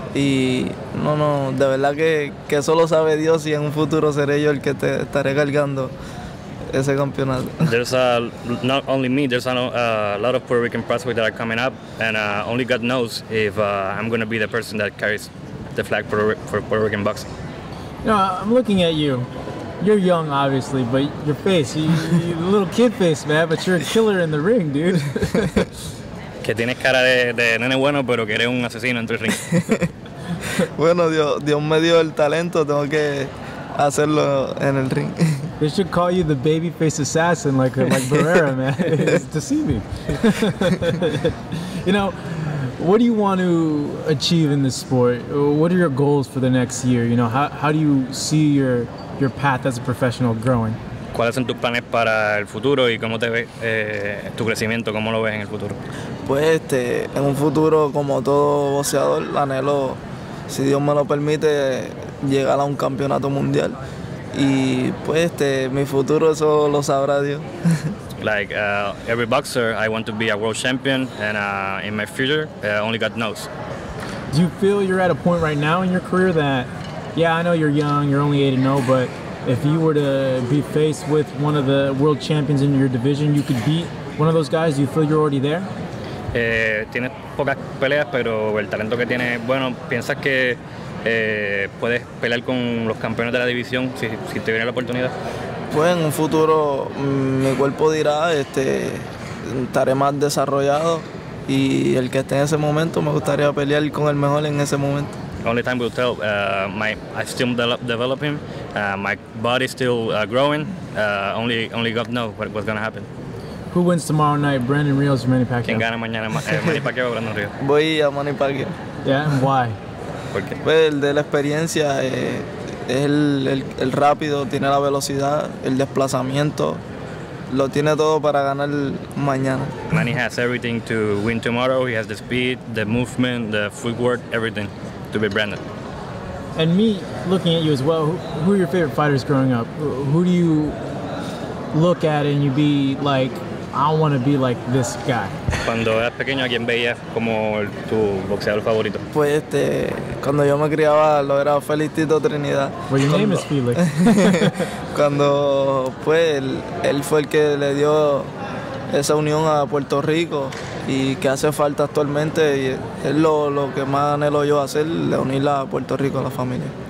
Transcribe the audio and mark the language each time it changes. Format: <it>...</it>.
<es>Y no, de verdad que solo sabe Dios si en un futuro seré yo el que te estaré cargando ese campeonato.</es> <en>There's not only me, there's a lot of Puerto Rican prospects that are coming up, and only God knows if I'm going to be the person that carries the flag for Puerto Rican boxing. No, I'm looking at you. You're young, obviously, but your face, you're a little kid face, man, but you're a killer in the ring, dude.</en> <es>Que tienes cara de nene bueno, pero que eres un asesino entre el ring. Bueno, Dios me dio el talento, tengo que hacerlo en el ring.</es> <en>They should call you the babyface assassin like Barrera, man. It's deceiving. You know, what do you want to achieve in this sport? What are your goals for the next year? You know, how do you see your path as a professional growing?</en> <es>¿Cuáles son tus planes para el futuro y cómo te ves tu crecimiento? ¿Cómo lo ves en el futuro? Pues en un futuro, como todo boxeador, anhelo, si Dios me lo permite, llegar a un campeonato mundial. Y pues mi futuro eso lo sabrá Dios.</es> <en>Like every boxer, I want to be a world champion, and in my future, only God knows. Do you feel you're at a point right now in your career that, yeah, I know you're young, you're only 8-0, but if you were to be faced with one of the world champions in your division, you could beat one of those guys? Do you feel you're already there?</en> <es>Tienes pocas peleas, pero el talento que tienes, bueno, piensas que puedes pelear con los campeones de la división si te viene la oportunidad. Pues en un futuro mi cuerpo dirá, estaré más desarrollado, y el que esté en ese momento me gustaría pelear con el mejor en ese momento.</es> <en>Only time will tell. I'm still developing. My body still growing. Only God knows what's gonna happen. Who wins tomorrow night, Brandon Rios or Manny Pacquiao?</en> <es>¿Quién gana mañana, Manny Pacquiao o Brandon Rios? Voy a Manny Pacquiao.</es> <en>Yeah, and why?</en> <es>Pues el de la experiencia es el rápido, tiene la velocidad, el desplazamiento, lo tiene todo para ganar mañana.</es> <en>Manny has everything to win tomorrow. He has the speed, the movement, the footwork, everything to be Brandon. And me, looking at you as well, who are your favorite fighters growing up? Who do you look at and you be like, I want to be like this guy?</en> <es>Cuando eras pequeño, ¿a quién veías como tu boxeador favorito? Pues cuando yo me criaba, lo era Félix Tito Trinidad.</es> <en>Well, your name is Felix.</en> <es>Cuando, pues, él fue el que le dio esa unión a Puerto Rico y que hace falta actualmente, y es lo que más anhelo yo hacer, de unir a Puerto Rico a la familia.</es>